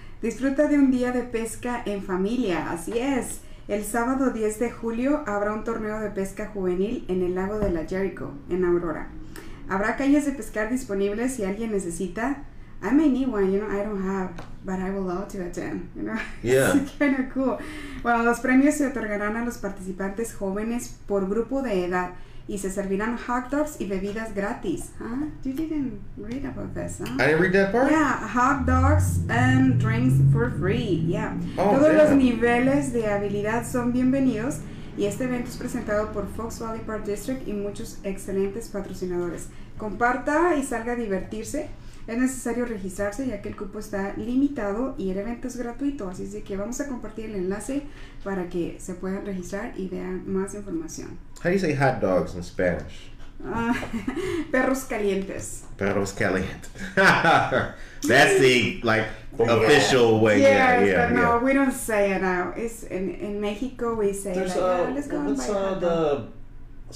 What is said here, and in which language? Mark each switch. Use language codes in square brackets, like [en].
[es] Disfruta de un día de pesca en familia. Así es. El sábado 10 de julio habrá un torneo de pesca juvenil en el lago de la Jericho, en Aurora. Habrá cañas de pescar disponibles si alguien necesita. [en] I may need one, you know, I don't have, but I would love to attend, you know. Yeah. It's kind of cool. [es] Bueno, los premios se otorgarán a los participantes jóvenes por grupo de edad y se servirán hot dogs y bebidas gratis. [en] Huh? You didn't read about this, huh? I didn't read that part? Yeah, hot dogs and drinks for free, yeah. Oh, [es] todos los niveles de habilidad son bienvenidos y este evento es presentado por Fox Valley Park District y muchos excelentes patrocinadores. Comparta y salga a divertirse. Es necesario registrarse ya que el cupo está limitado y el evento es gratuito. Así es de que vamos a compartir el enlace para que se puedan registrar y vean más información. [en] How do you say hot dogs in Spanish? [es] Perros calientes. [en] Perros calientes. That's the official way. Yeah. We don't say it now. It's in Mexico we say let's go and buy hot dogs.